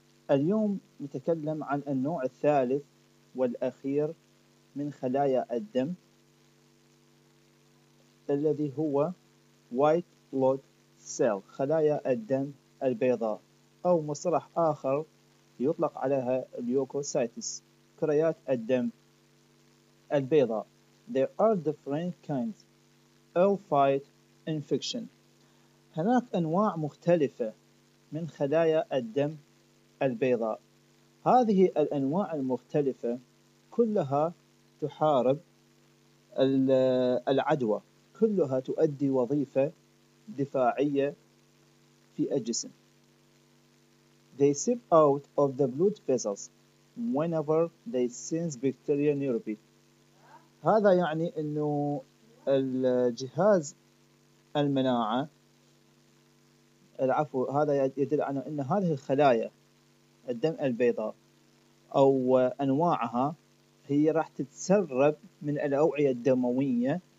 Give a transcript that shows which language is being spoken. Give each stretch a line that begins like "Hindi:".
Arabic: اليوم نتكلم عن النوع الثالث والأخير من خلايا الدم الذي هو White Blood Cell، خلايا الدم البيضاء، أو مصطلح آخر يطلق عليها Leukocytes، كريات الدم البيضاء.
English: There are different kinds L-fight infection.
Arabic: هناك أنواع مختلفة من خلايا الدم البيضاء. هذه الأنواع المختلفة كلها تحارب العدوى، كلها تؤدي وظيفة دفاعية في الجسم.
English: They seep out of the blood vessels whenever they sense bacteria nearby.
Arabic: هذا يعني أنه الجهاز المناعة، العفو، هذا يدل على أن هذه الخلايا الدم البيضاء أو أنواعها هي راح تتسرب من الأوعية الدموية.